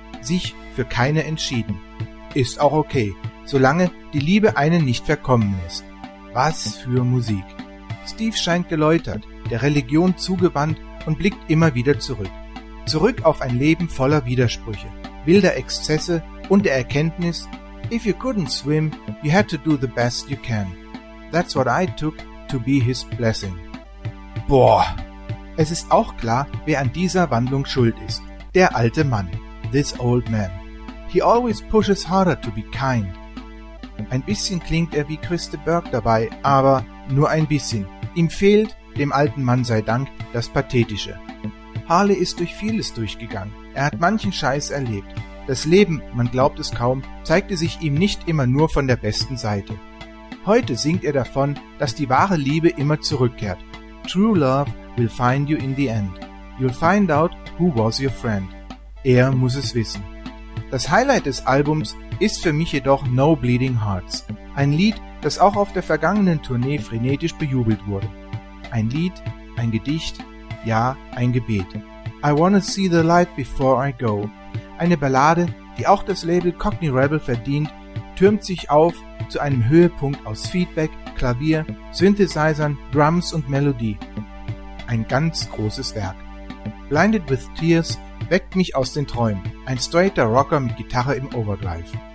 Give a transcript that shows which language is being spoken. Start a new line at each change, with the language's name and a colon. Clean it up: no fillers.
German: Sich für keine entschieden. Ist auch okay, solange die Liebe einen nicht verkommen lässt. Was für Musik. Steve scheint geläutert, der Religion zugewandt und blickt immer wieder zurück. Zurück auf ein Leben voller Widersprüche, wilder Exzesse und der Erkenntnis,
English: if you couldn't swim, you had to do the best you can. That's what I took to be his blessing. Boah!
German: Es ist auch klar, wer an dieser Wandlung schuld ist. Der alte Mann.
English: This old man. He always pushes harder to be kind.
German: Ein bisschen klingt er wie Christe Berg dabei, aber nur ein bisschen. Ihm fehlt, dem alten Mann sei Dank, das Pathetische. Harley ist durch vieles durchgegangen. Er hat manchen Scheiß erlebt. Das Leben, man glaubt es kaum, zeigte sich ihm nicht immer nur von der besten Seite. Heute singt er davon, dass die wahre Liebe immer zurückkehrt.
English: True love will find you in the end. You'll find out who was your friend.
German: Er muss es wissen. Das Highlight des Albums ist für mich jedoch No Bleeding Hearts. Ein Lied, das auch auf der vergangenen Tournee frenetisch bejubelt wurde. Ein Lied, ein Gedicht, ja, ein Gebet.
English: I wanna see the light before I go.
German: Eine Ballade, die auch das Label Cockney Rebel verdient, türmt sich auf zu einem Höhepunkt aus Feedback, Klavier, Synthesizern, Drums und Melodie. Ein ganz großes Werk. Blinded with Tears weckt mich aus den Träumen, ein straighter Rocker mit Gitarre im Overdrive.